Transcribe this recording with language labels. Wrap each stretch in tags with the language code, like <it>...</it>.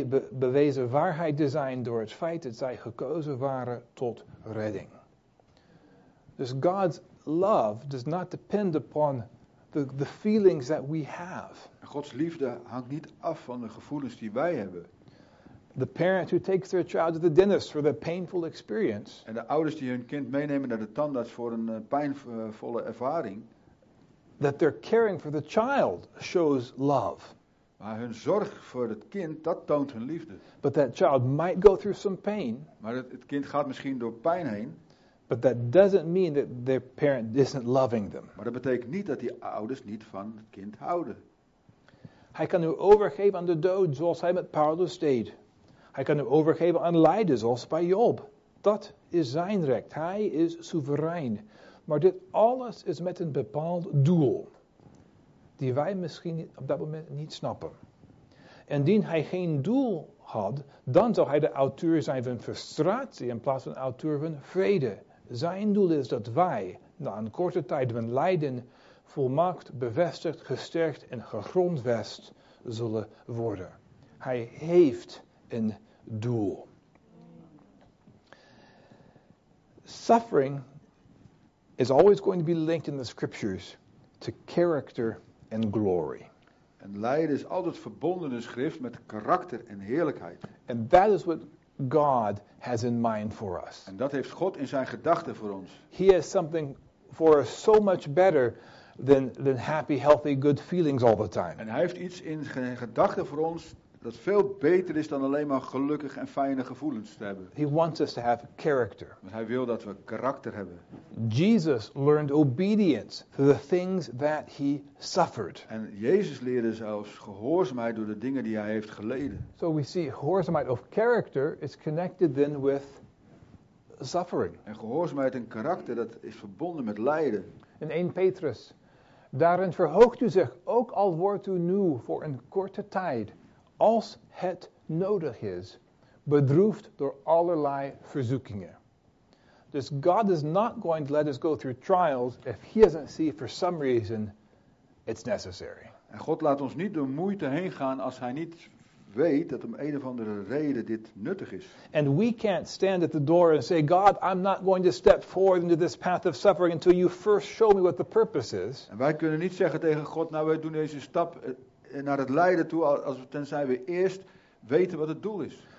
<nl>Bewezen waarheid te zijn door het feit dat zij gekozen waren tot redding. Dus</nl> <en>God's love does not depend upon the feelings that we have.</en> <nl>Gods liefde hangt niet af van de gevoelens die wij hebben.</nl> <en>The parent who takes their child to the dentist for the painful experience.</en> <nl>En de ouders die hun kind meenemen naar de tandarts voor een pijnvolle ervaring.</nl> <en>That they're caring for the child shows love.</en> <nl>Maar hun zorg voor het kind, dat toont hun liefde.</nl> <en>But that child might go through some pain.</en> <nl>Maar het kind gaat misschien door pijn heen.</nl> <en>But that doesn't mean that their parent isn't loving them.</en> <nl>Maar dat betekent niet dat die ouders niet van het kind houden. Hij kan u overgeven aan de dood zoals hij met Paulus deed. Hij kan u overgeven aan lijden zoals bij Job. Dat is zijn recht. Hij is soeverein. Maar dit alles is met een bepaald doel. Die wij misschien op dat moment niet snappen. Indien hij geen doel had, dan zou hij de auteur zijn van frustratie in plaats van auteur van vrede. Zijn doel is dat wij, na een korte tijd van lijden, volmaakt, bevestigd, gesterkt en gegrondvest zullen worden. Hij heeft een doel.</nl> <en>Suffering is always going to be linked in the scriptures to character and glory.</en> <nl>En lijden is altijd verbonden in schrift met karakter en heerlijkheid.</nl> <en>And that is what God has in mind for us.</en> <nl>En dat heeft God in zijn gedachten voor ons.</nl> <en>He has something for us so much better than happy, healthy, good feelings all the time.</en> <nl>En hij heeft iets in zijn gedachten voor ons dat veel beter is dan alleen maar gelukkig en fijne gevoelens te hebben.</nl> <en>He wants us to have character.</en> <nl>Want hij wil dat we karakter hebben.</nl> <en>Jesus learned obedience through the things that he suffered.</en> <nl>En Jezus leerde zelfs gehoorzaamheid door de dingen die hij heeft geleden.</nl> <en>So we see gehoorzaamheid of character is connected then with suffering.</en> <nl>En gehoorzaamheid en karakter, dat is verbonden met lijden. In 1 Petrus. Daarin verhoogt u zich, ook al wordt u nu voor een korte tijd, als het nodig is, bedroefd door allerlei verzoekingen. Dus</nl> <en>God is not going to let us go through trials if he doesn't see for some reason it's necessary.</en> <nl>En God laat ons niet door moeite heen gaan als hij niet weet dat om een of andere reden dit nuttig is.</nl> <en>And we can't stand at the door and say, God, I'm not going to step forward into this path of suffering until you first show me what the purpose is.</en> <nl>En wij kunnen niet zeggen tegen God, nou wij doen deze stap naar het lijden toe, als we tenzij we eerst weten wat het doel is.</nl>